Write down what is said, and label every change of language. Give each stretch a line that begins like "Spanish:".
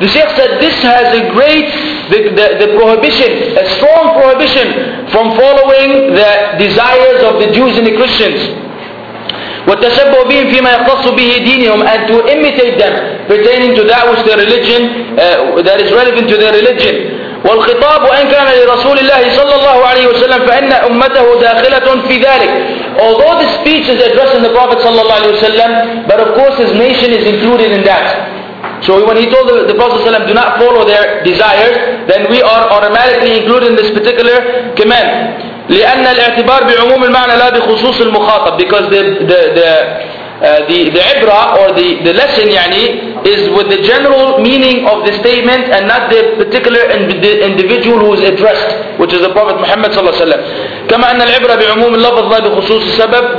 English: The Shaykh said this has a great, the prohibition, a strong prohibition from following the desires of the Jews and the Christians.
Arabic: وَالتَّشَبُّ بِهِمْ فِي مَا يَقْتَصُ بِهِ دِينِهُمْ,
English: and to imitate them pertaining to that which their religion, that is relevant to their religion.
Arabic: والخطاب وإن كان لرسول الله صلى الله عليه وسلم فإن أمته داخلة في ذلك.
English: Although the speech is addressing the Prophet صلى الله عليه وسلم, but of course his nation is included in that. So when he told the Prophet صلى الله عليه وسلم, do not follow their desires, then we are automatically included in this particular command.
Arabic: لأن الاعتبار بعموم المعنى لا بخصوص المخاطب,
English: because the ibra or the lesson يعني is with the general meaning of the statement and not the particular individual who is addressed, which is the Prophet Muhammad صلى الله عليه وسلم.
Arabic: كما أن العبرة بعموم اللفظ لا بخصوص السبب.